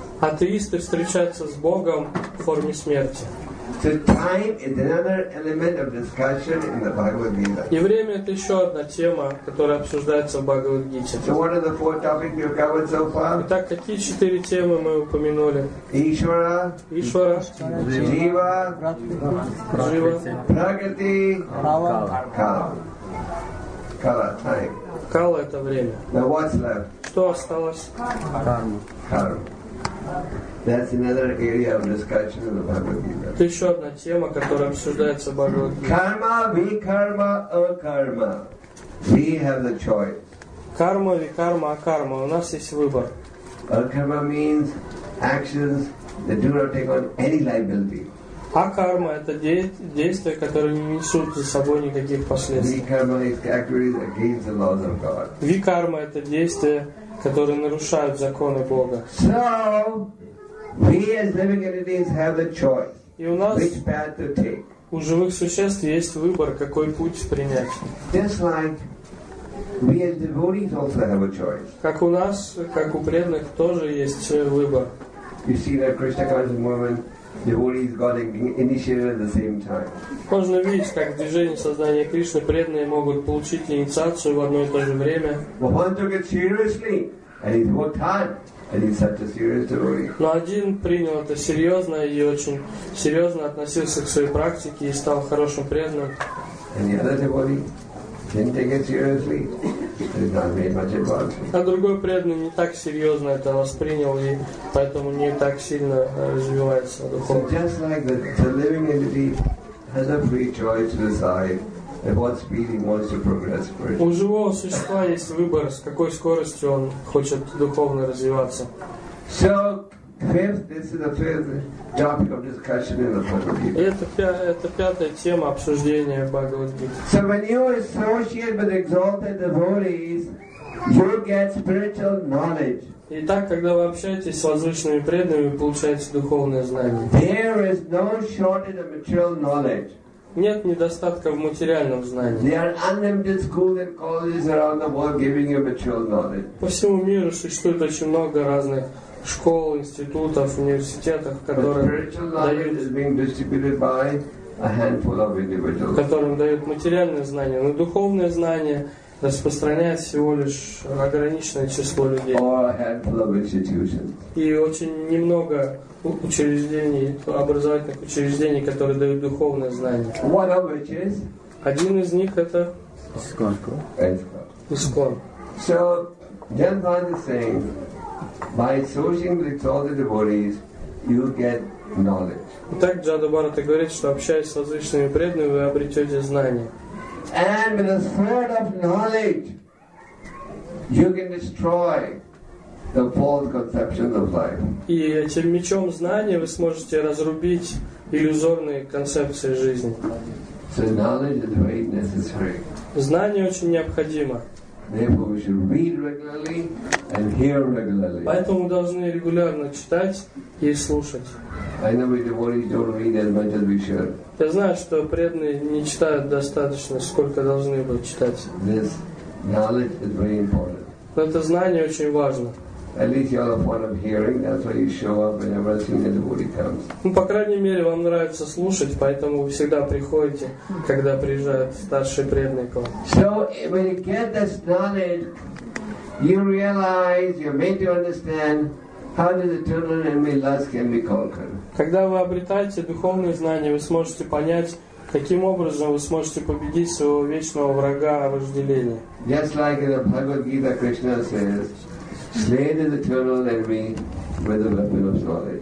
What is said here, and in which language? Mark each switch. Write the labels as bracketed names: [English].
[Russian] Атеисты встречаются с Богом в форме смерти. [English] So time is another element of discussion in the Bhagavad Gita. [Russian] И время это еще одна тема, которая обсуждается в Бхагавад Гите. [English] So what are the four topics we've covered so far? [Russian] Итак, какие четыре темы мы упомянули? Ишвара. Ишвара. Жива. Жива. Прагати. Кала. Кала. Кала. Time. Кала это время. [English] Now what's left? [Russian] Что осталось? Карма. Карма. [English] That's another area of discussion in the Bhagavad Gita. [Russian] Это еще одна тема, которая обсуждается в Бхагавад Гите. [English] Карма, викарма, акарма. We have the choice. [Russian] Карма, викарма, акарма. У нас есть выбор. [English] Акарма means actions that do not take on any liability. [Russian] Акарма — это действия, которые не несут за собой никаких последствий. [English] Викарма is activities against the laws of God. [Russian] Викарма — это действия, которые нарушают законы Бога. [English] So, we as living entities have the choice which path to take. [Russian] У живых существ есть выбор, какой путь принять. [English] Just like we as devotees also have a choice. [Russian] Как у нас, как у преданных, тоже есть выбор. [English] You see that Krishna conscious movement, devotees got initiated at the same time. [Russian] Можно видеть, как в движении сознания Кришны преданные могут получить инициацию в одно и то же время. [English] One took it seriously, and he worked hard, and he's such a serious devotee. [Russian] Но один принял это серьезно и очень серьезно относился к своей практике и стал хорошим преданным. [English] And the other devotee didn't take it seriously, and not made much advance. [Russian] А другой преданный не так серьезно это воспринял и поэтому не так сильно развивается духовно. [English] So just like the living entity has a free choice to decide at what speed he wants to progress first. [Russian] У живого существа есть выбор, с какой скоростью он хочет духовно развиваться. [English] So, this is the fifth topic of discussion in the Bhagavad Gita. [Russian] Это пятая тема обсуждения в Бхагавад Гите. [English] So when you associate with exalted devotees, you get spiritual knowledge. [Russian] И так, когда вы общаетесь с возвышенными преданными, вы получаете духовное знание. [English] There is no shortage of material knowledge. [Russian] Нет недостатка в материальном знании. [English] There are unlimited schools and colleges around the world giving you material knowledge. [Russian] По всему миру существует очень много разных школ, институтов, университетов, которые [English] spiritual knowledge [Russian] дают, [English] is being distributed by a handful of individuals. [Russian] Которым дают материальные знания, но духовное знание распространяет всего лишь ограниченное число людей. [English] Or a handful of institutions. [Russian] И очень немного учреждений, образовательных учреждений, которые дают духовное знание. [English] One of which is? [Russian] Один из них это [English] ISKCON. [Russian] ISKCON. [English] So, Jan Bhan is saying, by associating with exalted devotees, you get knowledge. [Russian] Так Джада Бхарата говорит, что общаясь с возвышенными преданными, вы обретете знания. [English] And with a sword of knowledge, you can destroy the false conceptions of life. [Russian] И этим мечом знания вы сможете разрубить иллюзорные концепции жизни. [English] So knowledge of the greatness is great. [Russian] Знание очень необходимо. [English] Therefore we should read regularly and hear regularly. [Russian] Поэтому мы должны регулярно читать и слушать. [English] I know we devotees don't read as much as we should. [Russian] Я знаю, что преданные не читают достаточно, сколько должны бы читать. [English] This knowledge is very important. [Russian] Но это знание очень важно. [English] At least you all have fun of hearing. That's why you show up whenever a senior devotee comes. [Russian] Ну, по крайней мере, вам нравится слушать, поэтому вы всегда приходите, когда приезжают старшие преданные к вам. [English] So when you get this knowledge, you realize, you're made to understand how the eternal enemy lust can be conquered. [Russian] Когда вы обретаете духовные знания, вы сможете понять, каким образом вы сможете победить своего вечного врага вожделения. [English] Just like in the Bhagavad Gita, Krishna says. Slay the eternal enemy with the weapon of knowledge.